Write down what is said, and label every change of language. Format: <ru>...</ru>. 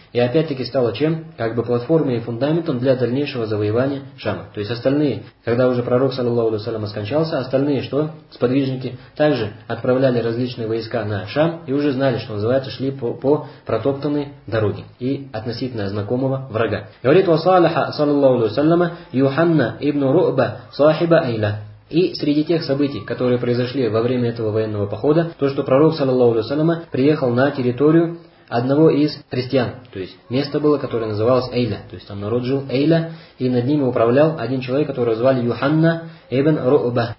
<ru>И опять-таки стало чем? Как бы платформой и фундаментом для дальнейшего завоевания Шама. То есть остальные, когда уже пророк, саллаллаху алейхи ва саллям, скончался, остальные что? Сподвижники также отправляли различные войска на Шам и уже знали, что называется, шли по протоптанной дороге и относительно знакомого врага. Говорит,</ru> <ar>وَصَالَحَ صَلَى اللَّهُ عَلَيْهِ وَسَلَّمَ يُحَنَّ إِبْنُ رُؤْبَ صَاحِبَ أَيْلَ.</ar> <ru>И среди тех событий, которые произошли во время этого военного похода, то, что пророк, саллаллаху алейхи ва саллям, приехал на территорию одного из христиан. То есть место было, которое называлось Эйля. То есть там народ жил Эйля, и над ними управлял один человек, которого звали Юханна ибн Ру'ба.</ru>